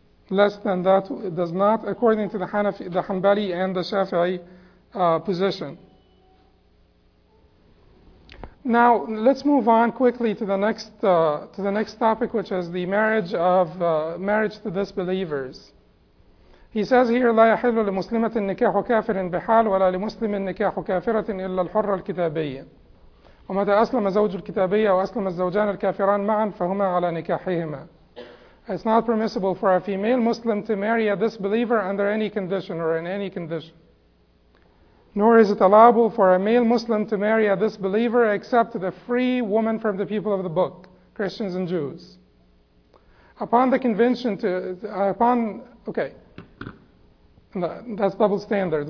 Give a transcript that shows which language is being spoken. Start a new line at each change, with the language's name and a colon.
English: Less than that, it does not, according to the Hanbali and the Shafi'i position. Now, let's move on quickly to the next topic, which is the marriage to disbelievers. He says here,
Arabic: لا يحل لمسلمة النكاح كافر بحال ولا لمسلم النكاح كافرة إلا الحر الكتابي. ومتى أسلم زوج الكتابية وأسلم الزوجان الكافران معا فهما على نكاحهما.
English: It's not permissible for a female Muslim to marry a disbeliever under any condition or in any condition. Nor is it allowable for a male Muslim to marry a disbeliever except the free woman from the people of the book, Christians and Jews. Upon the convention to, upon, okay, that's double standard.